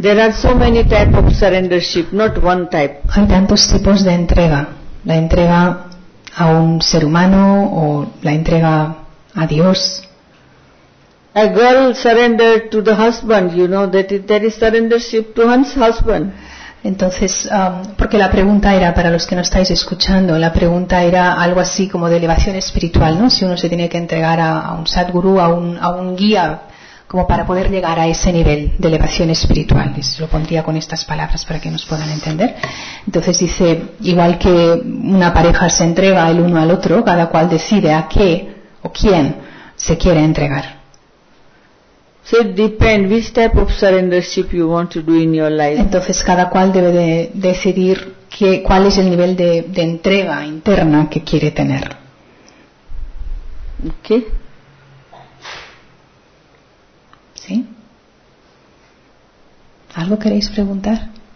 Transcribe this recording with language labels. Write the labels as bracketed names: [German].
[English] There are so many types of surrendership, not one type. [Spanish] Hay tantos tipos de entrega. La entrega a un ser humano o la entrega a Dios. [English] A girl surrendered to the husband, you know, that is surrendership to one's husband. [Spanish] Entonces, porque la pregunta era, para los que no estáis escuchando, la pregunta era algo así como de elevación espiritual, ¿no? Si uno se tiene que entregar a un sadguru, a un guía, como para poder llegar a ese nivel de elevación espiritual. Y se lo pondría con estas palabras para que nos puedan entender. Entonces dice, igual que una pareja se entrega el uno al otro, cada cual decide a qué o quién se quiere entregar. [English] So it depends which type of surrendership you want to do in your life. [Spanish] Entonces cada cual debe de decidir cuál es el nivel de entrega interna que quiere tener. [English] Okay. [Spanish] ¿Sí? ¿Algo queréis preguntar?